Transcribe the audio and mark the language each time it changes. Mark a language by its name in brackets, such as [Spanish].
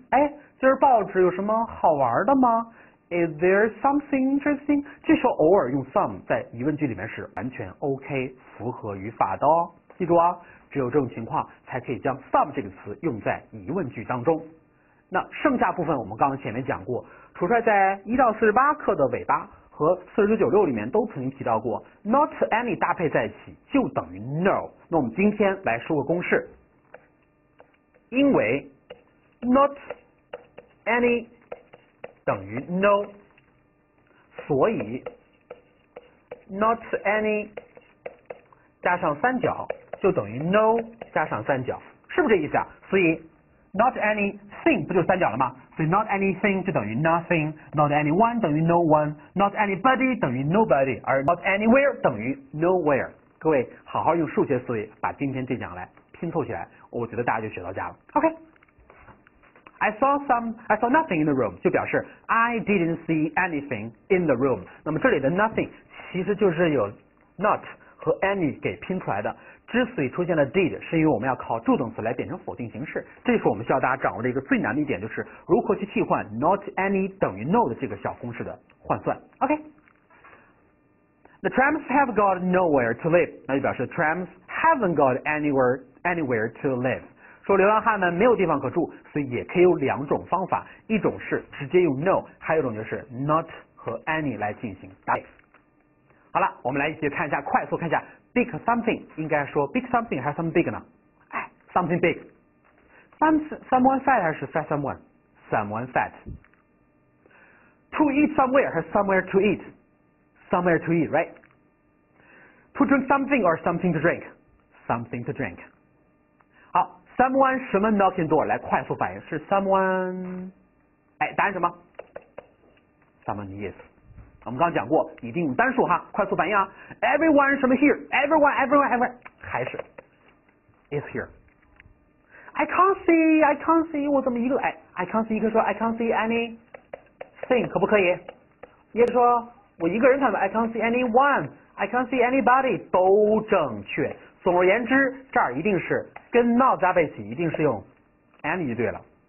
[Chinese] 哎，今儿报纸有什么好玩的吗？ [English] Is there something interesting? [Chinese] 这时候偶尔用 some 在疑问句里面是完全 OK， 符合语法的哦。记住啊，只有这种情况才可以将 some 这个词用在疑问句当中。那剩下部分我们刚刚前面讲过，楚帅在1到48课的尾巴和4996里面都曾经提到过， not any 搭配在一起就等于 no。那我们今天来说个公式，因为 not any 等于 no， 所以 not any 加上三角就等于 no 加上三角，是不是这意思啊？所以 not anything 不就三角了吗？所以 not anything 就等于 nothing， not anyone 等于 no one， not anybody 等于 nobody， 而 not anywhere 等于 nowhere。各位好好用数学思维把今天这讲来拼凑起来，我觉得大家就学到家了。 [English] OK， I saw nothing in the room [Chinese] 就表示 [English] I didn't see anything in the room。 [Chinese] 那么这里的 nothing 其实就是有 not 和 any 给拼出来的，之所以出现了 did 是因为我们要靠助动词来变成否定形式，这是我们需要大家掌握的一个最难的一点，就是如何去替换 not any 等于 no 的这个小公式的换算。 OK， [English] The trams have got nowhere to live， [Chinese] 那就表示 [English] trams haven't got anywhere to live， [Chinese] 说流浪汉们没有地方可住，所以也可以有两种方法，一种是直接用 no， 还有一种就是 not 和 any 来进行搭配。好了，我们来一起看一下，快速看一下 big something 应该说 big something 还是 something big 呢？ [English] 哎， something big， someone fat 还是 fat someone fat， to eat somewhere 还是 somewhere to eat right， to drink something or something to drink。 [Chinese] 好， someone 什么 [English] knocking door， [Chinese] 来快速反应，是 someone， 哎，答案什么？ someone yes， 我们刚刚讲过一定用单数哈，快速反应啊， everyone 什么 here， everyone 还是 is here。 [English] I can't see [Chinese] 我怎么一个，哎， [English] I can't see， [Chinese] 一个说 [English] I can't see any thing [Chinese] 可不可以，一个说我一个人看吧， [English] I can't see anyone， I can't see anybody， [Chinese] 都正确。总而言之，这儿一定是跟 not 加在一起，一定是用 any 就对了。